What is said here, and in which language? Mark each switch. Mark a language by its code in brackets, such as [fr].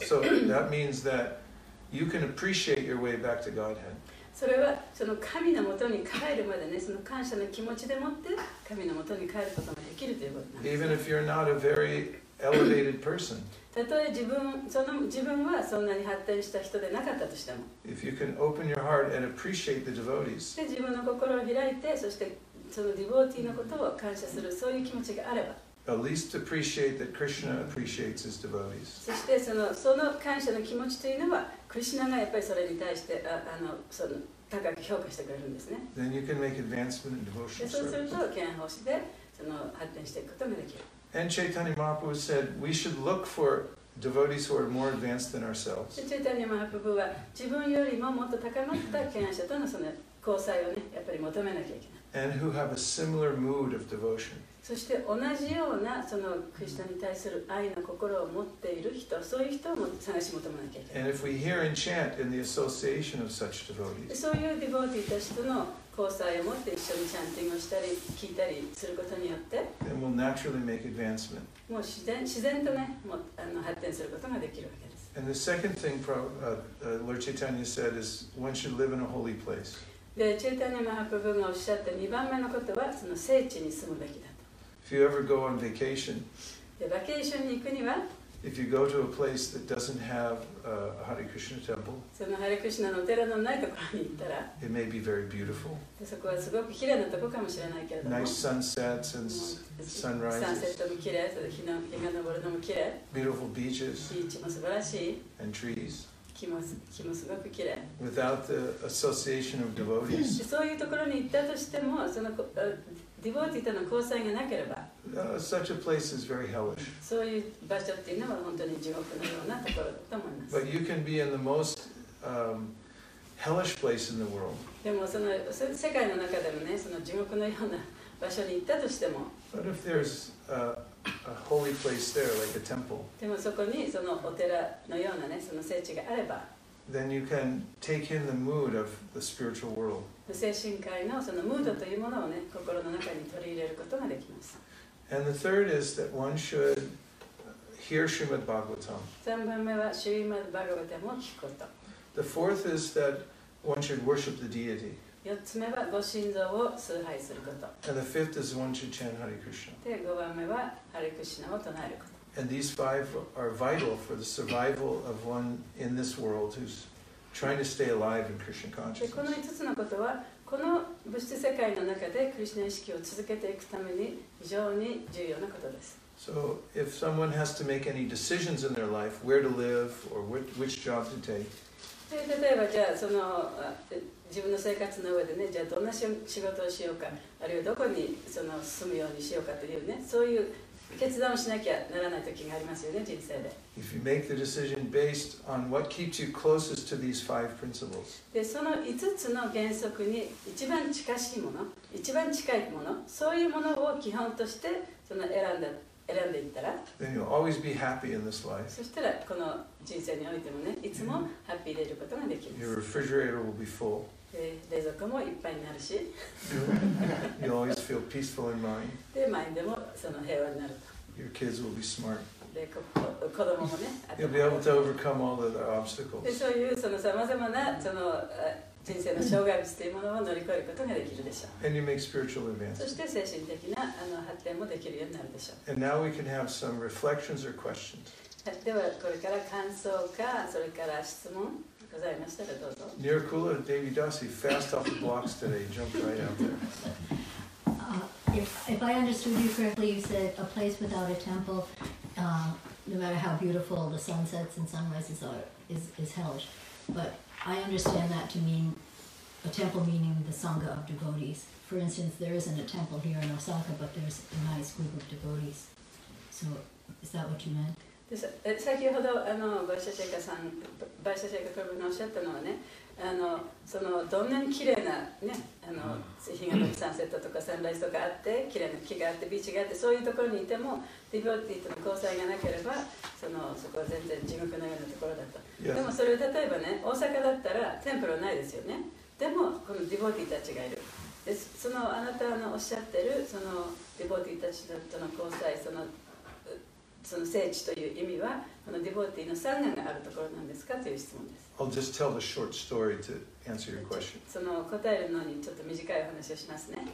[en] So that means that you can appreciate your way back to Godhead. [ja] それはその神のもとに帰るまでね、その感謝の気持ちでもって神のもとに帰ることができるということなんです。 [en] Even if you're not a very elevated person. [ja] たとえ自分はそんなに発展した人でなかったとしても。 [en] If you can open your heart and appreciate the devotees. [ja] で、自分の心を開いて、そしてそのディボーティーのことを感謝する、そういう気持ちがあれば。 [en] At least appreciate that Krishna appreciates his devotees. [ja] そしてその感謝の気持ちというのは、クリシナがやっぱりそれに対して、その高く評価してくれるんですね。 [en] Then you can make advancement in devotional service. [ja] そうすると、権奉仕で発展していくことができる。 [en] And Chaitanya Mahaprabhu said, we should look for devotees who are more advanced than ourselves. [ja] Chaitanya Mahaprabhu は自分よりももっと高まった権威者とのその交際をね、やっぱり求めなきゃいけない。 [en] And who have a similar mood of devotion. [ja] そして同じようなそのクリシナに対する愛の心を持っている人、そういう人を探し求めなきゃいけない。 [en] And if we hear and chant in the association of such devotees. [ja] そういうディボーティーたちとの交際を持って一緒にチャンティングをしたり聞いたりすることによって、 [en] then we'll naturally make advancement. [ja] もう自然とね、もう発展することができるわけです。 [en] And the second thing Lord Chaitanya said is one should live in a holy place. [ja] で、チェタニマハプブがおっしゃった2番目のことは、その聖地に住むべきだと。 [en] If you ever go on vacation, [ja] で、バケーションに行くには、 [en] if you go to a place that doesn't have a Hare Krishna temple, [ja] そのハレクリシュナのお寺のないところに行ったら、 [en] it may be very beautiful. [ja] で、そこはすごく綺麗なところかもしれないけれども、 [en] nice sunsets and sunrises, [ja] サンセットも綺麗、その日が昇るのも綺麗、 [en] beautiful beaches, [ja] ビーチも素晴らしい、 [en] and trees. [ja] 木もすごく綺麗。 [en] Without the association of devotees, [ja] そういうところに行ったとしても、そのディボーティーとの交際がなければ、 [en] such a place is very hellish. [ja] そういう場所っていうのは本当に地獄のようなところだと思います。 [en] But you can be in the most, hellish place in the world. [ja] でもその世界の中でもね、その地獄のような場所に行ったとしても、 [en] But if there's a holy place there, like a temple. [ja] でもそこにそのお寺のようなね、その聖地があれば、 [en] then you can take in the mood of the spiritual world. [ja] 精神界のそのムードというものをね、心の中に取り入れることができます。 [en] And the third is that one should hear Srimad Bhagavatam. [ja] 三番目は Srimad Bhagavatam を聞くこと。 [en] The fourth is that one should worship the deity. [ja] 4つ目はご神像を崇拝すること。 [en] And the fifth is one should chant Hare Krishna. [ja] で、5番目はハレクリシュナを唱えること。 [en] And these five are vital for the survival of one in this world who's trying to stay alive in Krishna consciousness. [ja] で、この5つのことは、この物質世界の中でクリシナ意識を続けていくために非常に重要なことです。 [en] So if someone has to make any decisions in their life, where to live or which job to take, [ja] で例えばじゃあその自分の生活の上でね、じゃあどんな仕事をしようか、あるいはどこにその住むようにしようかというね、そういう決断をしなきゃならない時がありますよね、人生で。 [en] If you make the decision based on what keeps you closest to these five principles. [ja] で、その5つの原則に一番近しいもの、一番近いもの、そういうものを基本としてその選んでいったら、 [en] then you'll always be happy in this life. [ja] そしたらこの人生においてもね、いつもハッピーでいることができます。 [en] Your refrigerator will be full. [ja] 冷蔵庫もいっぱいになるし、 [en] you'll always feel peaceful in mind. [ja] で、マインドもその平和になると。 [en] Your kids will be smart. [ja] で、子供もね、 [en] you'll be able to overcome all the obstacles. [ja] で、そういうそのさまざまなその人生の障害物というものを乗り越えることができるでしょう。 [en] And you make spiritual advancement. [ja] そして精神的な発展もできるようになるでしょう。 [en] And now we can have some reflections or questions. [ja] ではこれから感想か、それから質問ございましたらどうぞ。 [en] Nirkula Devi Dasi, fast off the blocks today, jumped right out there. If I understood you correctly, you said a place without a temple, no matter how beautiful the sunsets and sunrises are, is hellish. But,I understand that to mean a temple meaning the Sangha of devotees. For instance, there isn't a temple here in Osaka, but there's a nice group of devotees. So, is that what you meant? [ja] 先ほどバシャシェイカさん、バシャシェイカプロブがおっしゃったのはね、そのどんなに綺麗なね、日が昇るサンセットとかサンライズとかあって、綺麗な木があって、ビーチがあって、そういうところにいても、ディボーティーとの交際がなければ、そこは全然地獄のようなところだと。 [en] Yes. [ja] でもそれを例えばね、大阪だったらテンプルはないですよね。でも、このディボーティーたちがいる。で、そのあなたのおっしゃってる、そのディボーティーたちとの交際、その聖地という意味は、このディボーティーのサンガがあるところなんですかという質問です。 [en] I'll just tell a short story to answer your question. [ja] その答えるのにちょっと短いお話をしますね。